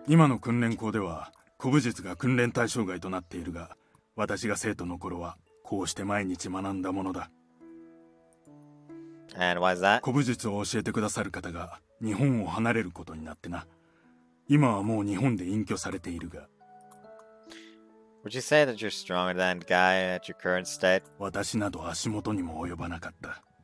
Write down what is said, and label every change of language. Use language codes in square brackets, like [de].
[ja] 今の訓練校では古武術が訓練対象外となっているが、私が生徒の頃はこうして毎日学んだものだ。 [en] And why is that? [ja] 古武術を教えてくださる方が日本を離れることになってな。今はもう日本で隠居されているが。 [en] Would you say that you're stronger than guy at your current state? [ja] 私など足元にも及ばなかった。